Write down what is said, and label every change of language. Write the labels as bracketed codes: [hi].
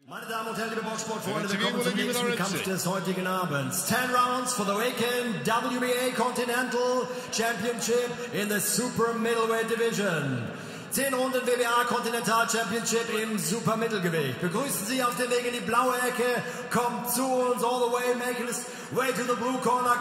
[de] Meine Damen und Herren, liebe Boxsportfreunde, willkommen zum nächsten Kampf des heutigen Abends. [en] 10 Rounds for the vacant WBA Continental Championship in the Super Middleweight Division. [de] 10 Runden WBA Continental Championship im Super Mittelgewicht. Begrüßen Sie auf dem Weg in die blaue Ecke. Kommt zu uns [en] all the way, making his way to the blue corner.